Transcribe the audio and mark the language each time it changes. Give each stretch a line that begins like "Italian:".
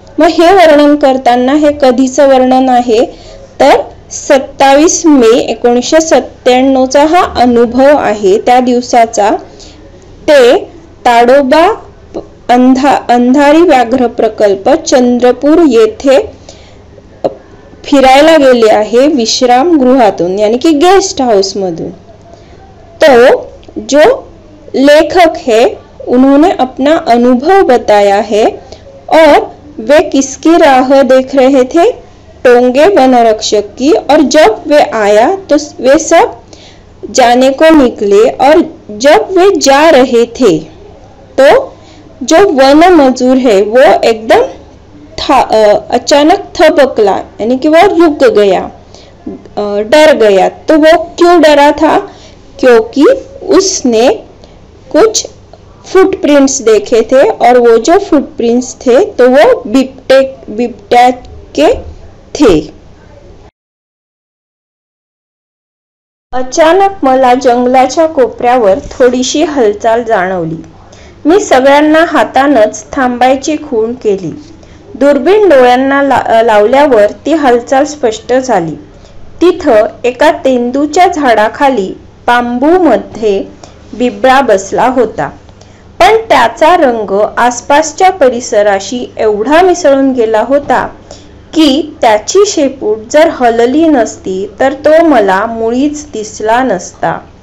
Marathi: मग हे वर्णन करताना हे कधीचं वर्णन आहे? तर 27 मे 1997 हा अनुभव आहे त्या दिवसाचा। ते ताडोबा अंधारी व्याघ्र प्रकल्प चंद्रपूर येथे फिरायला गेले आहे विश्रामगृहातून, यानी की गेस्ट हाऊस मधून।
Hindi: तो जो लेखक है उन्होंने अपना अनुभव बताया है और वे किसकी राह देख रहे थे? टोंगे वनरक्षक की। और जब वे आया तो वे सब जाने को निकले, और जब वे जा रहे थे तो जो वन मजूर है वो एकदम अचानक थबकला, यानी कि वो रुक गया, डर गया। तो वो क्यों डरा था? क्योंकि उसने कुछ फुटप्रिंट्स देखे थे, और वो जो फुटप्रिंट्स थे तो वो बिबटे के थे।
Marathi: अचानक मला जंगलाच्या कोपऱ्यावर थोडीशी हालचाल जाणवली। मी सगळ्यांना हातानच थांबायची खूण केली। दुर्बीण डोळ्यांना लावल्यावर ती हालचाल स्पष्ट झाली। तिथं एका तेंदूच्या झाडाखाली बांबूमध्ये बिबळा बसला होता, पण त्याचा रंग आसपासच्या परिसराशी एवढा मिसळून गेला होता की त्याची शेपूट जर हलली नसती तर तो मला मुळीच दिसला नसता।